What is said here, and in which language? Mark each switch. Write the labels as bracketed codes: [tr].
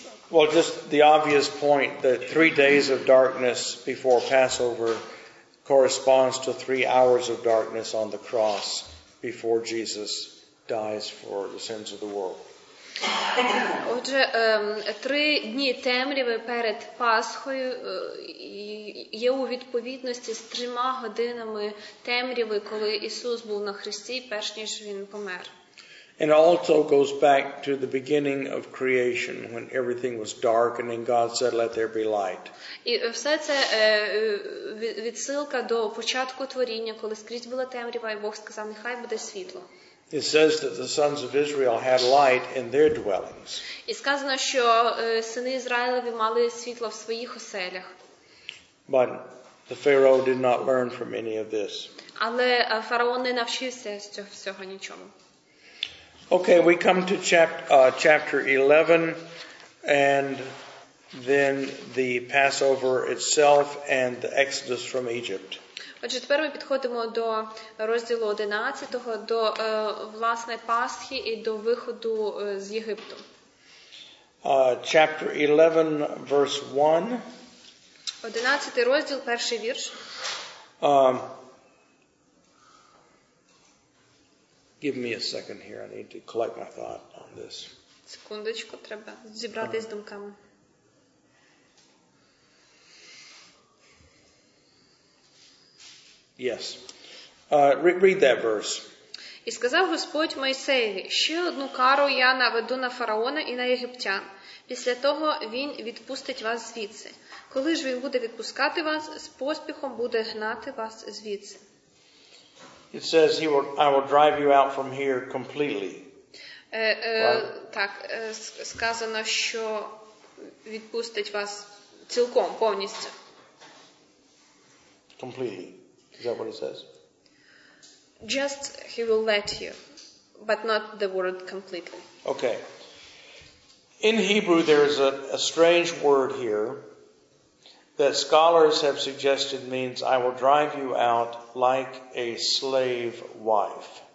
[en] Well, just the obvious point that 3 days of darkness before Passover corresponds to 3 hours of darkness on the cross before Jesus dies for the sins of the world. [uk] Отже, 3 дні темряви перед Пасхою є у відповідності з 3 годинами темряви, коли Ісус був на хресті, перш ніж він помер. [en] And also goes back to the beginning of creation when everything was dark and then God said, let there be light. [uk] І все це відсилка до початку творіння, коли скрізь була темрява, і Бог сказав, нехай буде світло. [en] It says that the sons of Israel had light in their dwellings. [uk] І сказано, що сини Ізраїлеві мали світло в своїх оселях. [en] But the Pharaoh did not learn from any of this. [uk] Але фараон не навчився з цього всього нічому. [en] Okay, we come to chapter 11 and then the Passover itself and the Exodus from Egypt. [uk] Отже, тепер ми підходимо до розділу 11-го, до власне Пасхи і до виходу з Єгипту. [en] Chapter 11 verse 1. [uk] 11-й розділ, перший вірш. [en] Give me a second here. I need to collect my thought on this. [uk] Секундочку, треба зібратись думками. [en] Yes. Read that verse. [uk] І сказав Господь Мойсеєві, ще одну кару я наведу на фараона і на єгиптян. Після того він відпустить вас звідси. Коли ж він буде відпускати вас, з поспіхом буде гнати вас звідси. [en] It says, I will drive you out from here completely. [uk] Так, сказано, що відпустить вас цілком, повністю. [en] Completely. Is that what it says? Just he will let you, but not the word completely. Okay. In Hebrew, there is a strange word here that scholars have suggested means I will drive you out like a slave wife.